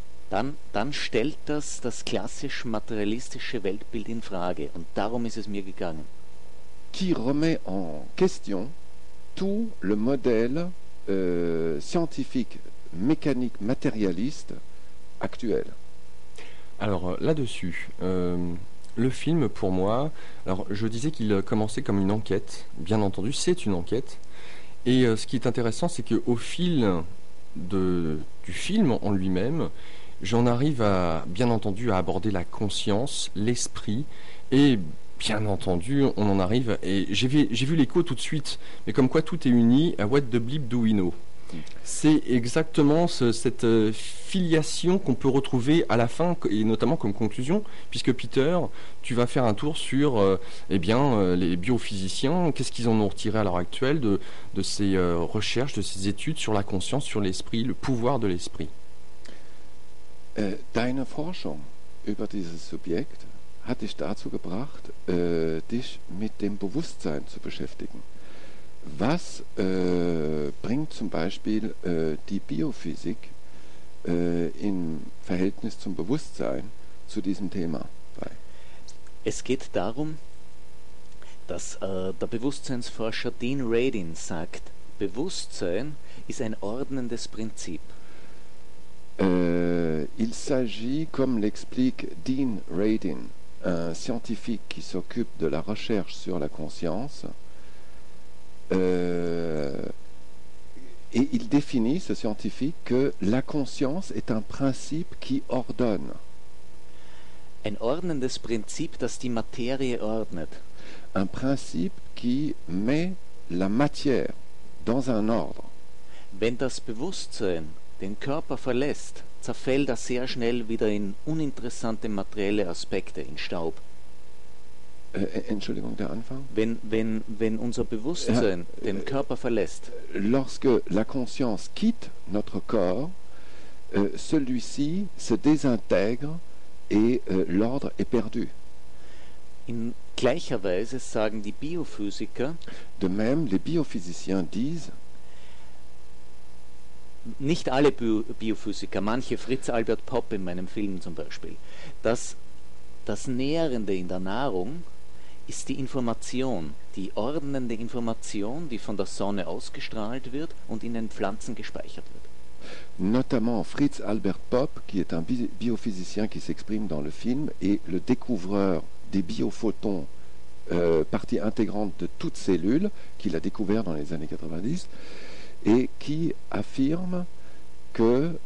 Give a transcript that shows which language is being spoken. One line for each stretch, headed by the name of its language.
German: Dann stellt das klassisch materialistische Weltbild in Frage und darum ist es mir gegangen.
French: Qui remet en question tout le modèle scientifique, mécanique, matérialiste actuel. Alors là-dessus, le film, pour moi, alors je disais qu'il commençait comme une enquête, bien entendu, c'est une enquête, et ce qui est intéressant, c'est qu'au fil du film en lui-même, j'en arrive à, bien entendu, à aborder la conscience, l'esprit, et bien entendu, on en arrive, et j'ai vu l'écho tout de suite, mais comme quoi tout est uni à What the Bleep Do We Know. C'est exactement cette filiation qu'on peut retrouver à la fin, et notamment comme conclusion, puisque Peter, tu vas faire un tour sur les biophysiciens, qu'est-ce qu'ils en ont retiré à l'heure actuelle de ces recherches, de ces études sur la conscience, sur l'esprit, le pouvoir de l'esprit.
German: Deine Forschung über dieses Subjekt hat dich dazu gebracht, dich mit dem Bewusstsein zu beschäftigen. Was bringt zum Beispiel die Biophysik im Verhältnis zum Bewusstsein zu diesem Thema bei? Es geht darum, dass der Bewusstseinsforscher Dean Radin sagt, Bewusstsein ist ein ordnendes Prinzip.
French: Il s'agit, comme l'explique Dean Radin, un scientifique qui s'occupe de la recherche sur la conscience, et il définit, ce scientifique, que la conscience est un principe qui ordonne.
German: Ein ordnendes Prinzip, das die Materie ordnet.
French: Un principe qui met la matière dans un ordre.
German: Wenn das Bewusstsein den Körper verlässt, zerfällt er sehr schnell wieder in uninteressante materielle Aspekte, in Staub. Entschuldigung, der Anfang? Wenn unser Bewusstsein den Körper verlässt.
French: Lorsque la conscience quitte notre corps, celui-ci se désintègre et l'ordre est perdu.
German: In gleicher Weise sagen die Biophysiker,
French: de même les biophysiciens disent,
German: nicht alle Biophysiker, manche Fritz Albert Popp in meinem Film zum Beispiel, dass das Nährende in der Nahrung ist die Information, die ordnende Information, die von der Sonne ausgestrahlt wird und in den Pflanzen gespeichert wird.
French: Notamment Fritz Albert Popp, qui est un biophysicien qui s'exprime dans le film, est le découvreur des biophotons, partie intégrante de toute cellule, qu'il a découvert dans les années 90, et qui affirme que...